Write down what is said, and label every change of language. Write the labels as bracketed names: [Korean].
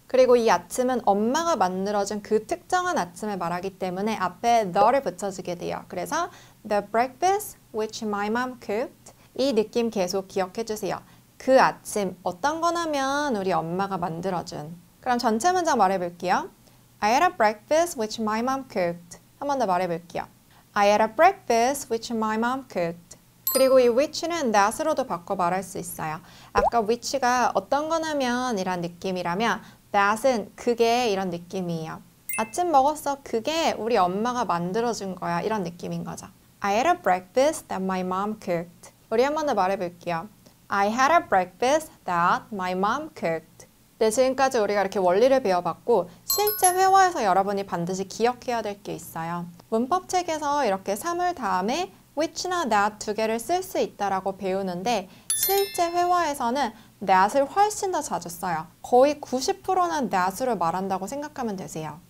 [Korean] 그리고 이 아침은 엄마가 만들어준 그 특정한 아침을 말하기 때문에 앞에 the를 붙여주게 돼요. 그래서 [English] the breakfast which my mom cooked. [Korean] 이 느낌 계속 기억해 주세요. 그 아침 어떤 거냐면 우리 엄마가 만들어준. 그럼 전체 문장 말해 볼게요. [English] I had a breakfast which my mom cooked. [Korean] 한번더 말해 볼게요. [English] I had a breakfast which my mom cooked. [Korean] 그리고 이 which는 that으로도 바꿔 말할 수 있어요. 아까 which가 어떤 거냐면 이런 느낌이라면 that은 그게 이런 느낌이에요. 아침 먹었어. 그게 우리 엄마가 만들어준 거야. 이런 느낌인 거죠. [English] I had a breakfast that my mom cooked. [Korean] 우리 한번더 말해 볼게요. [English] I had a breakfast that my mom cooked. [Korean] 네, 지금까지 우리가 이렇게 원리를 배워봤고 실제 회화에서 여러분이 반드시 기억해야 될게 있어요. 문법책에서 이렇게 사물 다음에 which나 that 두 개를 쓸수 있다라고 배우는데 실제 회화에서는 that을 훨씬 더 자주 써요. 거의 90%는 that으로 말한다고 생각하면 되세요.